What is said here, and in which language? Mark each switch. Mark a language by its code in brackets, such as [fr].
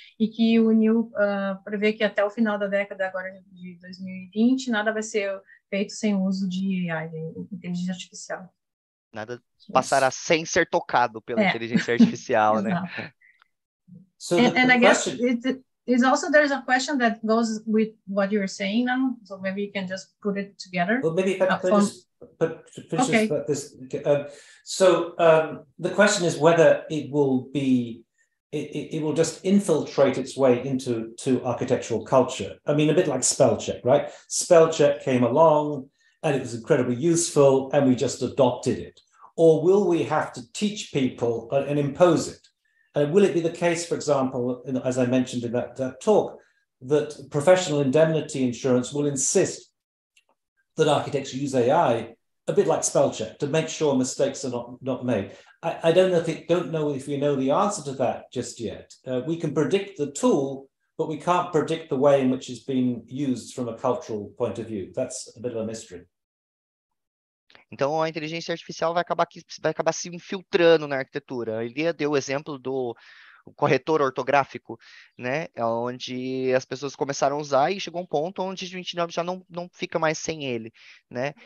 [pt] E que o Neil prevê que até o final da década agora de 2020 nada vai ser feito sem o uso de AI, de inteligência artificial. Nada passará sem ser tocado pela inteligência artificial, né? [en] So the question... It's also, there's a question that goes with what you're saying now, so maybe you can just put it together. Well, maybe if I could just finish okay. this. The question is whether it will be, it will just infiltrate its way into to architectural culture. I mean, a bit like spell check, right? Spell check came along and it was incredibly useful and we just adopted it. Or will we have to teach people and impose it? Will it be the case, for example, as I mentioned in that talk, that professional indemnity insurance will insist that architects use AI a bit like spell check to make sure mistakes are not made? I don't know if we know the answer to that just yet. We can predict the tool, but we can't predict the way in which it's being used from a cultural point of view. That's a bit of a mystery. [pt] Então, a inteligência artificial vai acabar se infiltrando na arquitetura. Ele deu o exemplo do corretor ortográfico, né? Onde as pessoas começaram a usar e chegou um ponto onde a gente já não fica mais sem ele, né?